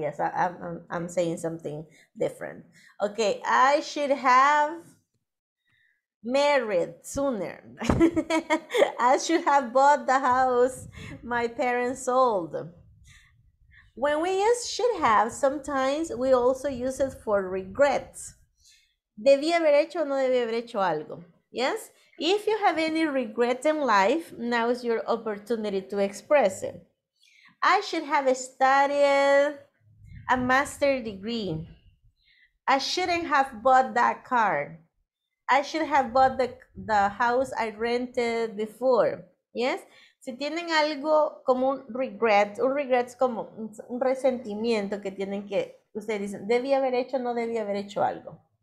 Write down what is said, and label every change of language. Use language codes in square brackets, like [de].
[en] Yes, I'm saying something different. Okay, I should have married sooner. I should have bought the house my parents sold. When we use should have, sometimes we also use it for regrets. [es] Debí haber hecho o no debí haber hecho algo. [en] Yes? If you have any regret in life, now is your opportunity to express it. I should have studied a master's degree. I shouldn't have bought that car. I should have bought the house I rented before. Yes? [es] Si tienen algo como un regret es como un resentimiento que tienen que, ustedes dicen, debí haber hecho o no debí haber hecho algo.